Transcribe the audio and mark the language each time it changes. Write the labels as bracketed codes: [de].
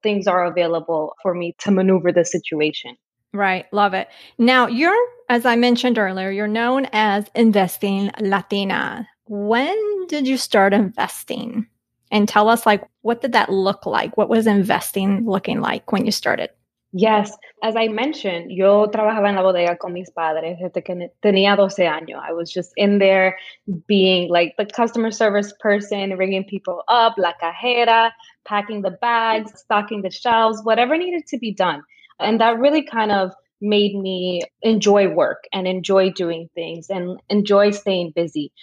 [en] Things are available for me to maneuver the situation. Right. Love it. Now, you're, as I mentioned earlier, you're known as Investing Latina. When did you start investing? And tell us, like, what did that look like? What was investing looking like when you started? Yes. As I mentioned, [es] yo trabajaba en la bodega con mis padres desde que tenía 12 años. [en] I was just in there being like the customer service person, ringing people up, [es] la cajera, [en] packing the bags, stocking the shelves, whatever needed to be done. And that really kind of made me enjoy work and enjoy doing things and enjoy staying busy.